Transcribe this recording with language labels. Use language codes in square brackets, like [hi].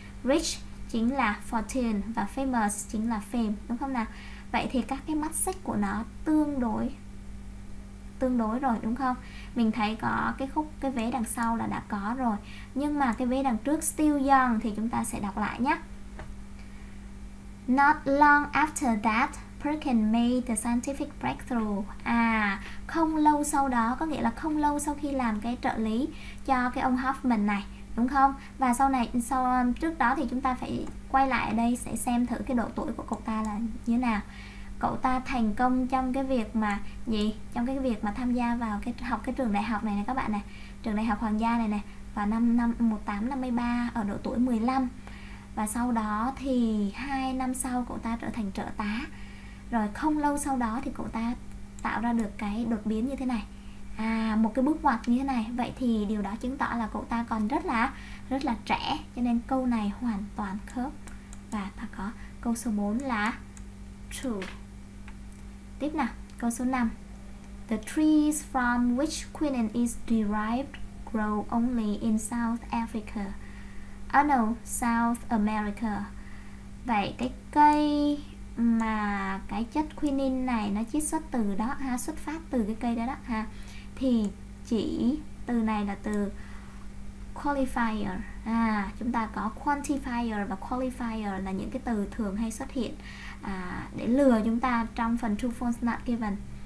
[vi] Rich chính là fortune và famous chính là fame, đúng không nào? Vậy thì các cái mắt xích của nó tương đối rồi đúng không? Mình thấy có cái khúc, cái vế đằng sau là đã có rồi, nhưng mà cái vế đằng trước [en] still young [vi] thì chúng ta sẽ đọc lại nhé. [en] Not long after that, Perkin made the scientific breakthrough. [vi] À, không lâu sau đó, có nghĩa là không lâu sau khi làm cái trợ lý cho cái ông Hoffman này, đúng không? Và trước đó thì chúng ta phải quay lại ở đây sẽ xem thử cái độ tuổi của cậu ta là như thế nào. Cậu ta thành công trong cái việc mà gì? Trong cái việc mà tham gia vào cái học cái trường đại học này này các bạn này, trường đại học Hoàng gia này này, vào năm 1853 ở độ tuổi 15. Và sau đó thì 2 năm sau cậu ta trở thành trợ tá. Rồi không lâu sau đó thì cậu ta tạo ra được cái đột biến như thế này. À, một cái bước ngoặt như thế này. Vậy thì điều đó chứng tỏ là cậu ta còn rất là trẻ, cho nên câu này hoàn toàn khớp. Và ta có câu số 4 là true. Tiếp nào, câu số 5. [en] The trees from which quinine is derived grow only in South Africa. Oh no, South America. [vi] Vậy cái cây mà cái chất quinine này nó chiết xuất từ đó ha, xuất phát từ cái cây đó đó ha, thì chỉ từ này là từ qualifier. À, chúng ta có quantifier và qualifier là những cái từ thường hay xuất hiện để lừa chúng ta trong phần true false not given.